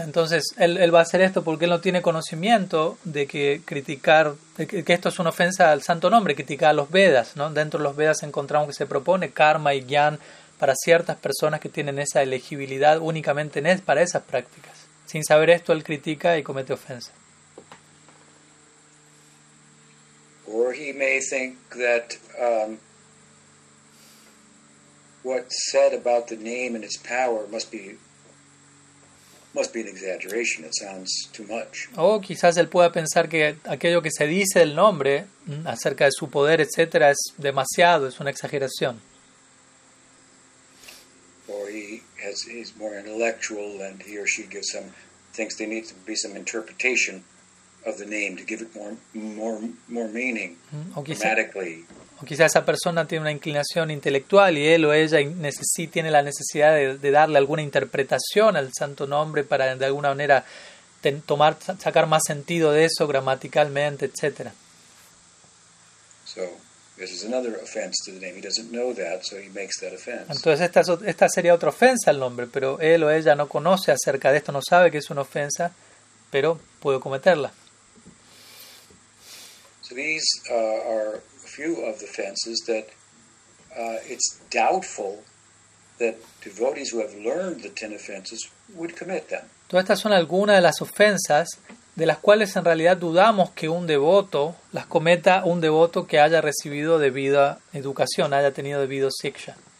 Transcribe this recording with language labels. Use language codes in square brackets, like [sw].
[es] Entonces, él va a hacer esto porque él no tiene conocimiento de que criticar, de que esto es una ofensa al santo nombre, criticar a los Vedas, ¿no? Dentro de los Vedas encontramos que se propone karma y gyan para ciertas personas que tienen esa elegibilidad únicamente para esas prácticas. Sin saber esto, él critica y comete ofensa. [en] Or he may think that what's said about the name and its power must be an exaggeration. It sounds too much. [es] O quizás él pueda pensar que aquello que se dice del nombre acerca de su poder, etcétera, es demasiado, es una exageración. [en] Or he's more intellectual, and he or she gives some thinks there needs to be some interpretation of the name to give it more meaning grammatically. [es] O quizás esa persona tiene una inclinación intelectual y él o ella tiene la necesidad de darle alguna interpretación al santo nombre para de alguna manera sacar más sentido de eso gramaticalmente, etc. [en] So, this is another offense to the name. He doesn't know that, so he makes that offense. [es] Entonces esta sería otra ofensa al nombre, pero él o ella no conoce acerca de esto, no sabe que es una ofensa, pero puede cometerla. [en] So these are few of the fences that it's doubtful that devotees who have learned the 10 offenses would commit them. [es] Todas estas son algunas de las ofensas de las cuales en realidad dudamos que un devoto las cometa, un devoto que haya recibido debida educación, haya tenido debido siksha.